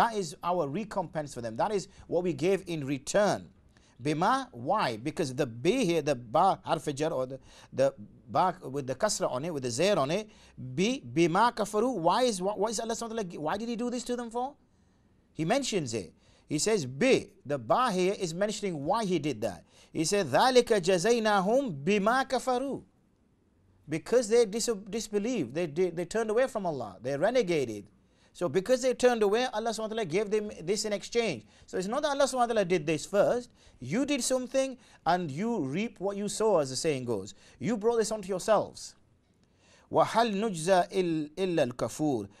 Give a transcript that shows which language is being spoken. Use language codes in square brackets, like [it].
[en] That is our recompense for them. That is what we gave in return. Bima, why? Because the B here, the Ba harfijar, or the Ba with the Kasra on it, with the Zair on it, B, [ar] Bima kafaru. [en] Why is what is Allah subhanahu wa ta'ala, why did he do this to them for? He mentions it. He says B, the Ba here is mentioning why he did that. He said, [ar] ذَلِكَ جَزَيْنَاهُمْ بِمَا كَفَرُوا. [en] Because they disbelieved, they turned away from Allah, they renegated. So because they turned away, Allah subhanahu wa ta'ala gave them this in exchange. So it's not that Allah subhanahu wa ta'ala did this first. You did something and you reap what you sow, as the saying goes. You brought this onto yourselves. [ar] وَهَلْ نُجْزَى إِلَّا الْكَفُورِ.